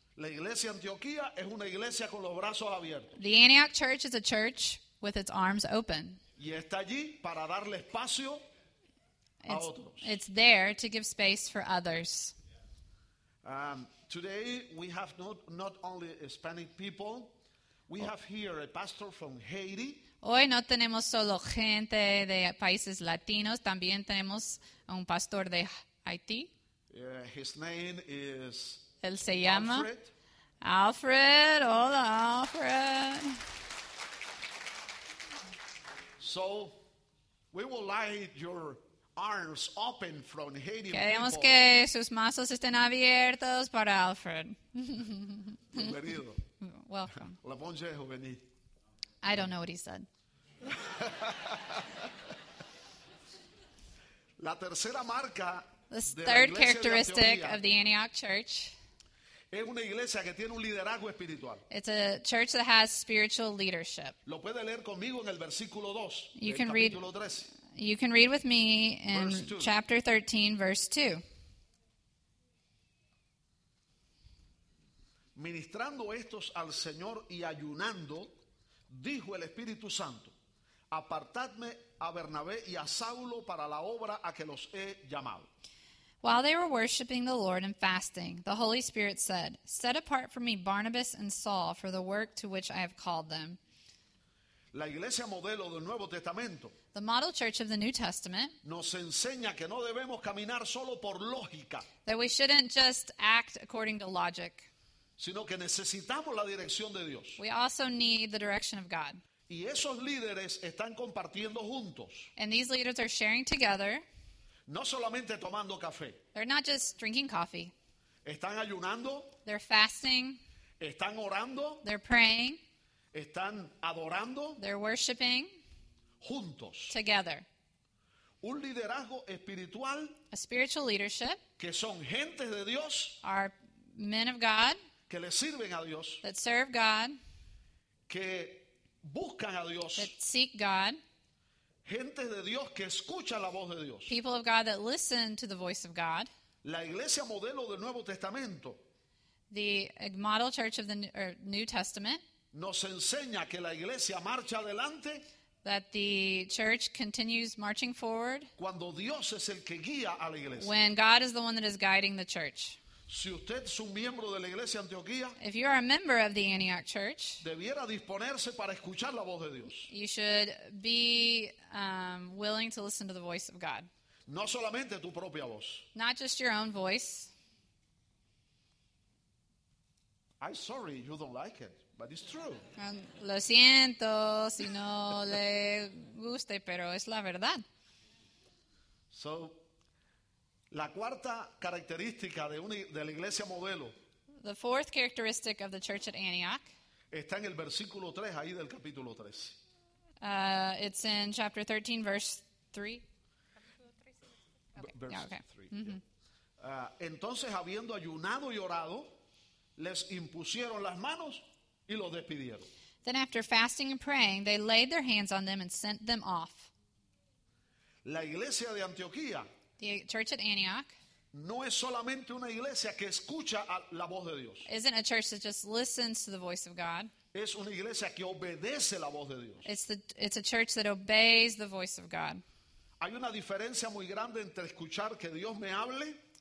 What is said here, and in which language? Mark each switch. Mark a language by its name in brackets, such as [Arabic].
[Spanish] La iglesia Antioquía es una iglesia con los brazos abiertos. [English] The Antioch Church is a church with its arms open. [Spanish] Y está allí para darle espacio a otros. [English] It's there to give space for others. Today we have not only Hispanic people, we have here a pastor from Haiti. [Spanish] Hoy no tenemos solo gente de países latinos, también tenemos a un pastor de Haití. [English] His name is [Spanish] Él se llama Alfred. Hola, Alfred. [English] So, we will light your arms open from Haiti. [Spanish] Queremos que sus mazos estén abiertos para Alfred. Bienvenido. [English] Welcome. La bonje, juvenil. I don't know what he said. [Spanish] La tercera marca, [English] the third characteristic [Spanish] de [English] of the Antioch Church, [Spanish] es una iglesia que tiene un liderazgo espiritual. [English] It's a church that has spiritual leadership. [Spanish] Lo puede leer conmigo en el versículo 2. [English] You can read. You can read with me in chapter 13, verse 2. [Spanish] Ministrando estos al Señor y ayunando, dijo el Espíritu Santo: apartadme a Bernabé y a Saulo para la obra a que los he llamado. [English] While they were worshiping the Lord and fasting, the Holy Spirit said, set apart for me Barnabas and Saul for the work to which I have called them. [Spanish] La iglesia modelo del Nuevo Testamento. [English] The model church of the New Testament. [Spanish] Nos enseña que no debemos caminar solo por lógica. [English] That we shouldn't just act according to logic. [Spanish] Sino que necesitamos la dirección de Dios. [English] We also need the direction of God. [Spanish] Y esos líderes están compartiendo juntos. [English] And these leaders are sharing together. [Spanish] No solamente tomando café. [English] They're not just drinking coffee. [Spanish] Están ayunando. [English] They're fasting. [Spanish] Están orando. [English] They're praying. [Spanish] Están adorando. [English] They're worshiping. [Spanish] Juntos. [English] Together. [Spanish] Un liderazgo espiritual. [English] A spiritual leadership. [Spanish] Que son gentes de Dios. [English] Are men of God. [Spanish] Que le sirven a Dios. [English] That serve God. [Spanish] Que buscan a Dios. [English] That seek God. [Spanish] Gente de Dios que escucha la voz de Dios. [English] People of God that listen to the voice of God. [Spanish] La iglesia modelo del Nuevo Testamento. [English] The model church of the New Testament. [Spanish] Nos enseña que la iglesia marcha adelante. [English] That the church continues marching forward. [Spanish] Cuando Dios es el que guía a la iglesia. [English] When God is the one that is guiding the church. [Spanish] Si usted es un miembro de la iglesia Antioquía, [English] if you are a member of the Antioch Church, [Spanish] debiera disponerse para escuchar la voz de Dios. [English] You should be willing to listen to the voice of God. [Spanish] No solamente tu propia voz. [English] Not just your own voice. I'm sorry you don't like it, but it's true. [Spanish] Lo siento si no le guste, pero es la verdad. So, la cuarta característica de la iglesia modelo. [English] The fourth characteristic of the church at Antioch. [Spanish] Está en el versículo 3 ahí del capítulo 3. [English] It's in chapter 13 verse 3. Okay. Mm-hmm. [Spanish] Entonces habiendo ayunado y orado, les impusieron las manos y los despidieron. [English] Then after fasting and praying, they laid their hands on them and sent them off. [Spanish] La iglesia de Antioquía. [English] The church at Antioch. [Spanish] No es solamente una iglesia que escucha la voz de Dios. [English] Isn't a church that just listens to the voice of God. [Spanish] Es una iglesia que obedece la voz de Dios. [English] It's a church that obeys the voice of God. [Spanish] Hay una diferencia muy grande entre escuchar que Dios me hable.